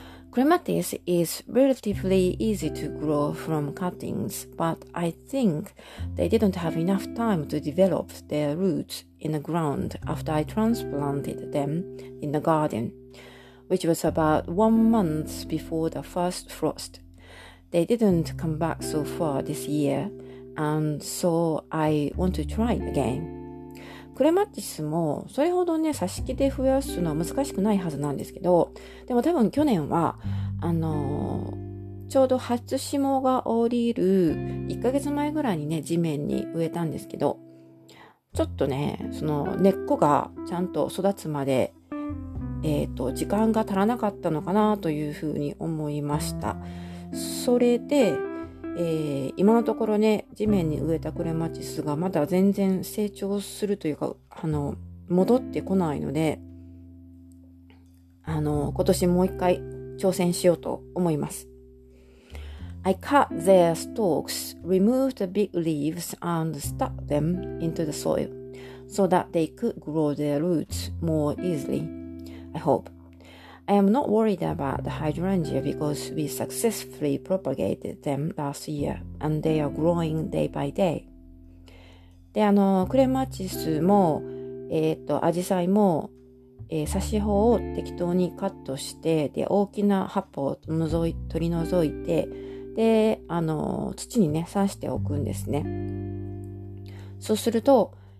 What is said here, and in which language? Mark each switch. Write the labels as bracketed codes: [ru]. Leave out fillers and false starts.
[en] Clematis is relatively easy to grow from cuttings, but I think they didn't have enough time to develop their roots in the ground after I transplanted them in the garden, which was about 1 month before the first frost. They didn't come back so far this year, and so I want to try again. [ja] クレマチスもそれほどね、挿し木で増やすのは難しくないはずなんですけど、でも多分去年はちょうど初霜が降りる1ヶ月前ぐらいにね、地面に植えたんですけど、ちょっとね、その根っこがちゃんと育つまで時間が足らなかったのかなというふうに思いました。それで、今のところね、地面に植えたクレマチスがまだ全然成長するというか、戻ってこないので、今年もう一回挑戦しようと思います。 [en] I cut their stalks, removed the big leaves, and stuck them into the soil, so that they could grow their roots more easily, I hope. I am not worried about the hydrangea because we successfully propagated them last year and they are growing day by day. [ja] で、クレマチスも、アジサイも、挿し穂を適当にカットして、で、大きな葉っぱを取り除いて、で、土にね、挿しておくんですね。そうすると、